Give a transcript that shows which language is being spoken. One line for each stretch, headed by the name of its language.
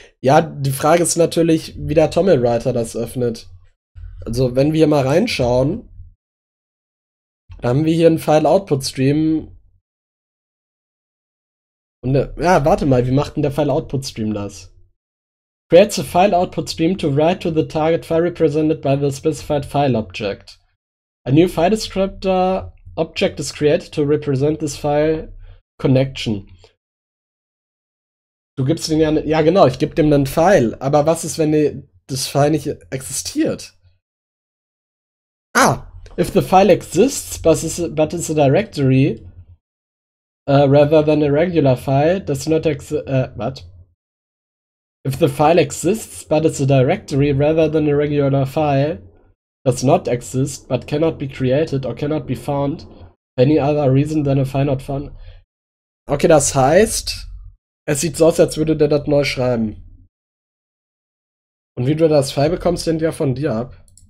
German: Ja, die Frage ist natürlich, wie der TOML-Writer das öffnet. Also, wenn wir mal reinschauen, dann haben wir hier einen File-Output-Stream. Und ja, warte mal, wie macht denn der File-Output-Stream das?
English: Creates a file output stream to write to the target file represented by the specified file object. A new file descriptor object is created to represent this file connection.
German: Du gibst den ja, ja genau, ich geb dem einen File, aber was ist, wenn das File nicht existiert?
English: Ah, if the file exists, but is a directory, rather than a regular file, does not what? If the file exists, but it's a directory rather than a regular file, does not exist, but cannot be created or cannot be found, any other reason than a file not found.
German: Okay, das heißt, es sieht so aus, als würde der das neu schreiben. Und wie du das File bekommst, hängt ja von dir ab.